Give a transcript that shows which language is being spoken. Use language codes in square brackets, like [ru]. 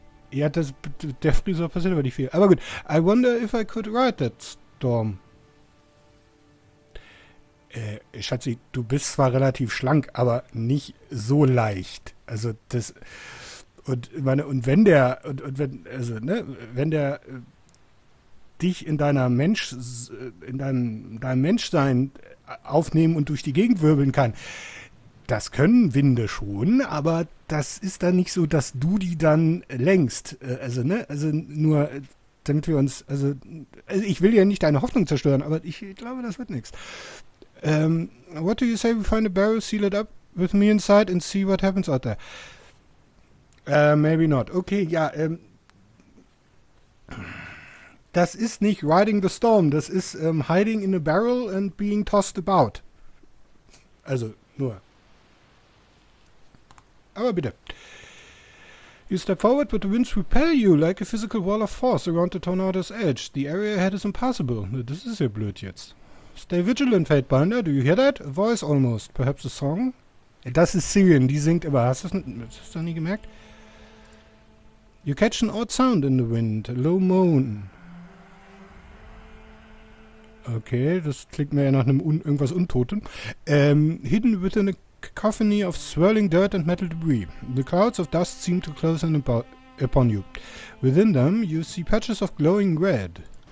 [de] Ja, das, der Friseur passiert aber nicht viel. Aber gut. [en] I wonder if I could ride that storm. [de] Schatzi, du bist zwar relativ schlank, aber nicht so leicht. Also das... Und meine, und wenn der... und wenn, also, ne, wenn der dich in deiner Mensch... in deinem Menschsein aufnehmen und durch die Gegend wirbeln kann... Das können Winde schon, aber das ist dann nicht so, dass du die dann lenkst. Also, ne? Also, nur damit wir uns. Also, ich will ja nicht deine Hoffnung zerstören, aber ich glaube, das wird nichts. [en] What do you say? We find a barrel, seal it up with me inside and see what happens out there. Maybe not. Okay, ja. [de] Das ist nicht [en] riding the storm. [de] Das ist [en] hiding in a barrel and being tossed about. [de] Also, nur. Aber bitte. [en] You step forward, but the winds repel you like a physical wall of force around the tornado's edge. The area ahead is impassable. [de] Das ist ja blöd jetzt. [en] Stay vigilant, Fate Binder. Do you hear that? A voice almost. Perhaps a song? [de] Das ist Sirian, die singt immer. Hast du das nie gemerkt? [en] You catch an odd sound in the wind. A low moan. [de] Okay, das klingt mir ja nach einem irgendwas Untoten. [en] Hidden within a cacophony of swirling dirt and metal debris. The clouds of dust seem to close in upon you. Within them you see patches of glowing red.